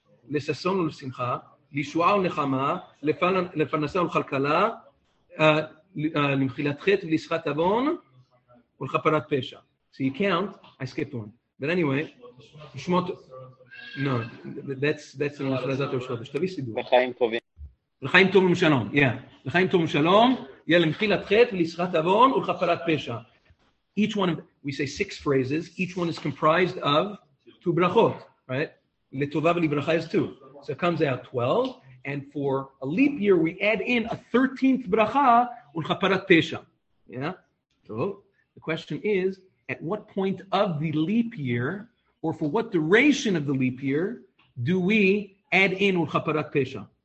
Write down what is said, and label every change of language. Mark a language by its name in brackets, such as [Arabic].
[Hebrew] לששון ולשמחה, לישועה ולנחמה, לפרנסה ולכלכלה, למחילת חטא ולשחת עוון, ולכפרת פשע. [English] So you count, I skipped one. But anyway, שמות... No, that's an הכרזת ראש חודש. [Hebrew] תביא סידור. לחיים טובים. לחיים טובים שלום, yeah. לחיים טובים שלום, yeah, למחילת חטא ולשחת עוון ולכפרת פשע. [English] Each one of... We say six phrases. Each one is comprised of two ברכות, right? [Hebrew] לטובה ולברכה [English] is two. So it comes out 12. And for a leap year, we add in a 13th bracha, [Hebrew] ולכפרת פשע. [English] Yeah? So the question is, at what point of the leap year, or for what duration of the leap year, do we add in [Hebrew] ולכפרת פשע?